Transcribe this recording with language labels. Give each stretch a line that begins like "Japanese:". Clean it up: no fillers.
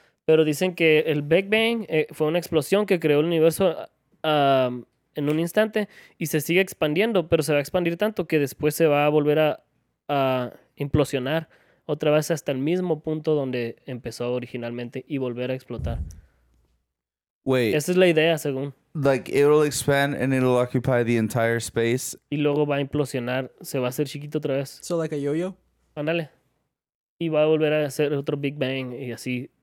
Spanish: Pero dicen que el Big Bang fue una explosión que creó el universo en un instante y se sigue expandiendo, pero se va a expandir tanto que después se va a volver a implosionar otra vez hasta el mismo punto donde empezó originalmente y volver a explotar.
English: Wait.
Spanish: Esa es la idea, según.
English: Like, it'll expand and it'll occupy the entire space.
Spanish: Y luego va a implosionar. Se va a hacer chiquito otra vez.
English: So, like a yo-yo?
Spanish: Ándale. Y va a volver a hacer otro Big Bang y así.